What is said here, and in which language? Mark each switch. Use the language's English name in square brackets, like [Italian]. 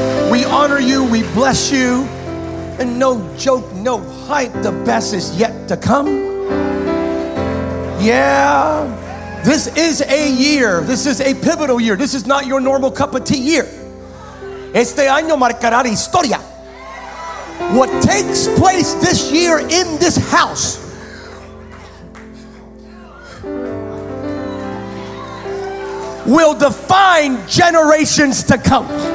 [English] We honor you, we bless you, and no joke, no hype, the best is yet to come. Yeah. This is a year. This is a pivotal year. This is not your normal cup of tea year. [Spanish] Este año marcará la historia. [English] What takes place this year in this house will define generations to come.